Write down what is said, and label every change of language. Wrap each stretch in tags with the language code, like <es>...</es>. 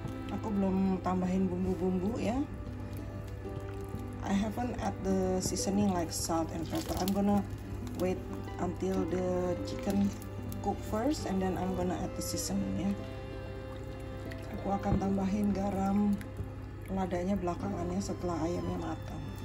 <id>Aku belum tambahin bumbu-bumbu ya.</id> <en>I haven't add the seasoning like salt and pepper. I'm gonna wait until the chicken cook first and then I'm gonna add the seasoning ya.</en> <id>Aku akan tambahin garam ladanya belakangannya setelah ayamnya matang, oke?</id>